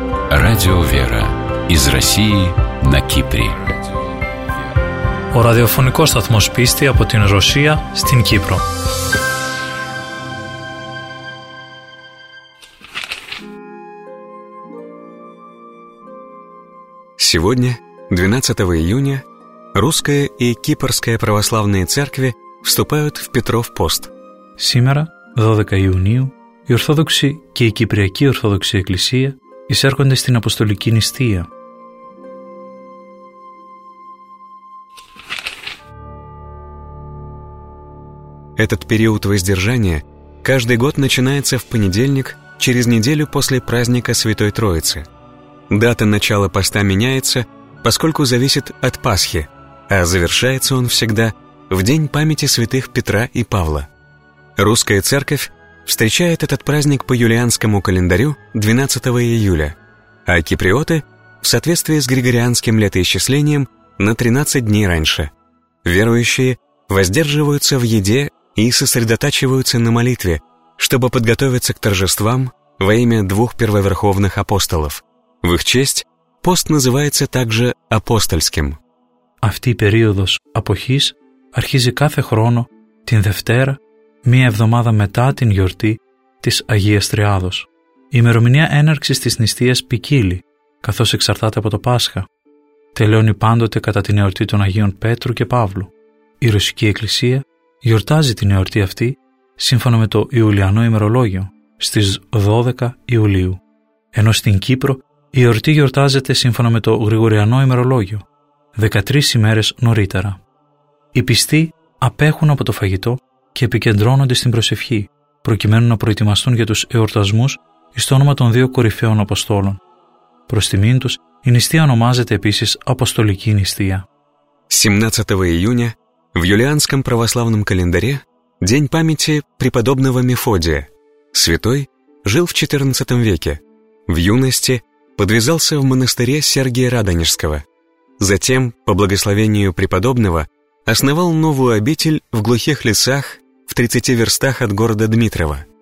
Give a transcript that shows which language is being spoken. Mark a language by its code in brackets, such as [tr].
[ru] Радио «Вера» из России на Кипре. [el] Ο ραδιοφωνικός σταθμός πίστη από την Ρωσία στην Κύπρο. [ru] Сегодня, 12 июня, русская и кипрская православные церкви вступают в Петров пост. Сегодня, 12 июня, [el] η Ορθόδοξη και η Κυπριακή Ορθόδοξη Εκκλησία εισέρχονται στην Αποστολική Νηστεία. [ru] Этот период воздержания каждый год начинается в понедельник, через неделю после праздника Святой Троицы. Дата начала поста меняется, поскольку зависит от Пасхи, а завершается он всегда в день памяти святых Петра и Павла. Русская Церковь встречает этот праздник по юлианскому календарю 12 июля, а киприоты в соответствии с григорианским летоисчислением на 13 дней раньше. Верующие воздерживаются в еде и сосредотачиваются на молитве, чтобы подготовиться к торжествам во имя двух первоверховных апостолов. В их честь пост называется также апостольским. [el] Αυτή περίοδος αποχής αρχίζει κάθε χρόνο την Δευτέρα, μία εβδομάδα μετά την γιορτή της Αγίας Τριάδος. Η ημερομηνία έναρξης της νηστείας ποικίλει, καθώς εξαρτάται από το Πάσχα. Τελειώνει πάντοτε κατά την εορτή των Αγίων Πέτρου και Παύλου. Η Ρωσική Εκκλησία γιορτάζει την εορτή αυτή σύμφωνα με το Ιουλιανό ημερολόγιο στις 12 Ιουλίου. Ενώ στην Κύπρο η εορτή γιορτάζεται σύμφωνα με το Γρηγοριανό ημερολόγιο 13 ημέρες νωρίτερα. Οι πιστοί απέχουν από το φαγητό και επικεντρώνονται στην προσευχή, προκειμένου να προετοιμαστούν για τους εορτασμούς εις το όνομα των δύο κορυφαίων Αποστόλων. Προς τιμήν τους, η νηστεία ονομάζεται επίσης Αποστολική Νηστεία. 17 Ιουνία, [ru] в юлианском православном календаре, день памяти преподобного Мефодия. Святой жил в 14 веке. В юности подвязался в монастыре Сергия Радонежского. Затем, по благословению преподобного, основал новую обитель в глухих лесах в 30 верстах от города Дмитрова.